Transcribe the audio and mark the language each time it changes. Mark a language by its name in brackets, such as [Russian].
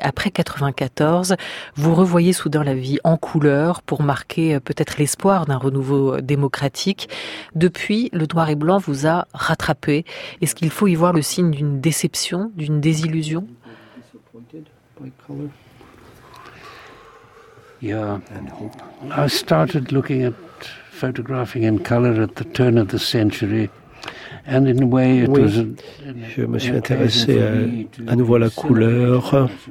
[French] Après 94, vous revoyez soudain la vie en couleur pour marquer peut-être l'espoir d'un renouveau démocratique. Depuis, le noir et blanc vous a rattrapé. Est-ce qu'il faut y voir le signe d'une déception, d'une désillusion ? [English] I started looking at photographing in color at the turn of the century, and in a way it was. [French] Je me suis intéressé à nouveau à la couleur.